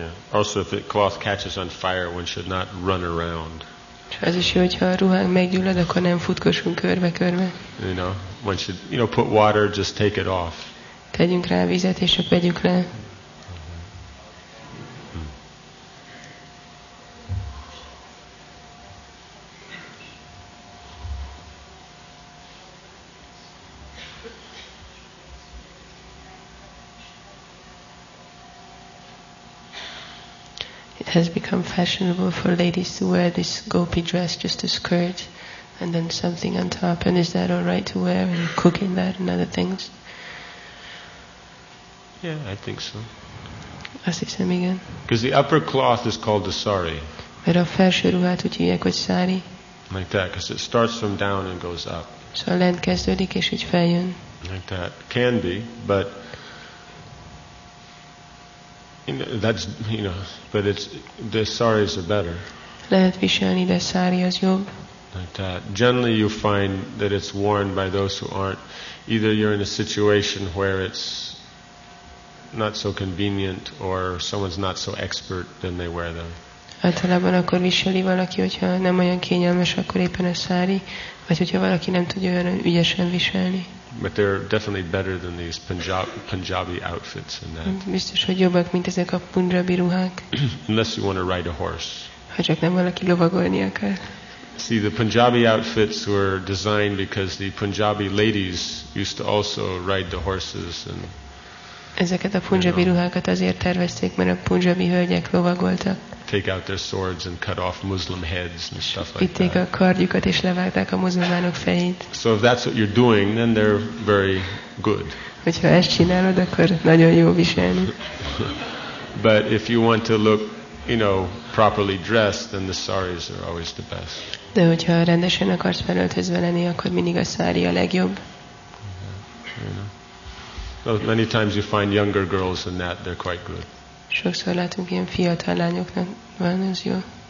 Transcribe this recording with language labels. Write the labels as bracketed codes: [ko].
[en] Also, if the cloth catches on fire, one should not run around. [hu] Az is jó, hogyha a ruhánk meggyullad, akkor nem futkosunk körbe-körbe. [en] You know, put water, just take it off. [hu] Tegyünk rá vizet, és csak vegyük le. [en] it has become fashionable for ladies to wear this gopi dress, just a skirt, and then something on top. And is that all right to wear and cooking that and other things? Yeah, I think so. [hu] Asi sem, igen. [en] Because the upper cloth is called the sari. [hu] Mert a felső ruhát úgy hívják, hogy sari. [en] Like that, because it starts from down and goes up. [hu] So lent kezdődik és így feljön. [en] Like that can be, but that's but it's the saris are better. [hu] Lehet viselni, de sari az jobb. [en] Like that. Generally, you find that it's worn by those who aren't. Either you're in a situation where it's not so convenient, or someone's not so expert, then they wear them. [hu] Általában akkor viseli valaki, hogyha nem olyan kényelmes, akkor éppen a sári, vagy hogyha valaki nem tudja olyan ügyesen viselni. [en] But they're definitely better than these Punjabi outfits and that. [hu] Biztos, hogy jobbak, mint ezek a Punjabi ruhák. [en] Unless you want to ride a horse. [hu] Ha csak nem valaki lovagolni akar. [en] See, the Punjabi outfits were designed because the Punjabi ladies used to also ride the horses and. Ezeket a Punjabi ruhákat azért tervezték, mert a Punjabi hölgyek lovagoltak. Take out their swords and cut off Muslim heads and stuff like that. [hu] A kardjukat és levágták a muzulmánok fejét. [en] So if that's what you're doing, then they're very good. [hu] Hogyha ezt csinálod, akkor nagyon jó viselni. [en] But if you want to look, properly dressed, then the saris are always the best. [hu] De hogyha rendesen akarsz felöltözve lenni, akkor mindig a sari a legjobb. [en] Many times you find younger girls in that, they're quite good. [hu] Sokszor látunk ilyen fiatal lányoknak, van ez jó.